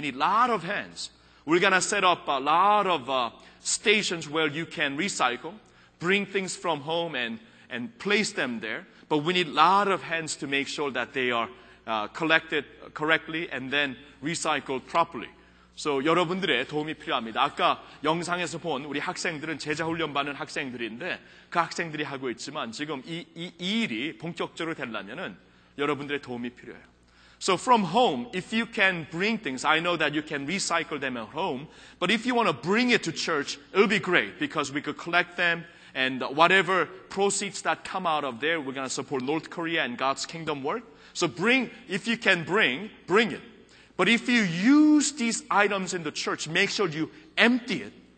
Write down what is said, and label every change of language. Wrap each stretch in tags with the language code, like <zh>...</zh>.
<en>We need a lot of hands. We're going to set up a lot of stations where you can recycle, bring things from home and place them there. But we need a lot of hands to make sure that they are collected correctly and then recycled properly.</en> <ko>So 여러분들의 도움이 필요합니다. 아까 영상에서 본 우리 학생들은 제자훈련 받는 학생들인데 그 학생들이 하고 있지만 지금 이 일이 본격적으로 되려면은 여러분들의 도움이 필요해요.</ko> <en>So from home, if you can bring things, I know that you can recycle them at home, but if you want to bring it to church, it'll be great because we could collect them and whatever proceeds that come out of there, we're going to support North Korea and God's kingdom work. So bring, if you can bring, bring it. But if you use these items in the church, make sure you empty it.</en>